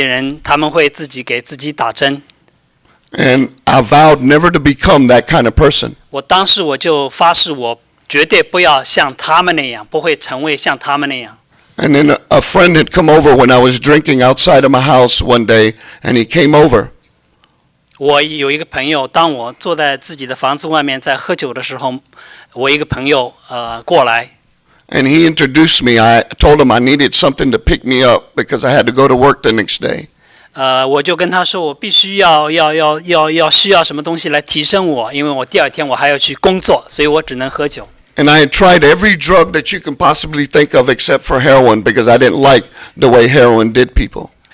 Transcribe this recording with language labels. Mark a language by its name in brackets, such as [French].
[Chinese] 我在13岁的时候跟那些海洛因的那个用海洛因毒品的那些人，他们会自己给自己打针。 [English] And I vowed never to become that kind of person. [Chinese] 我当时我就发誓，我绝对不要像他们那样，不会成为像他们那样。 [English] And then a friend had come over when I was drinking outside of my house one day, and he came over. [Chinese] 我有一个朋友，当我坐在自己的房子外面在喝酒的时候，我一个朋友过来。 [English] And he introduced me. I told him I needed something to pick me up because I had to go to work the next day. [Chinese] 我就跟他说，我必须要需要什么东西来提升我，因为我第二天我还要去工作，所以我只能喝酒。 [English] And I had tried every drug that you can possibly think of except for heroin because I didn't like the way heroin did people.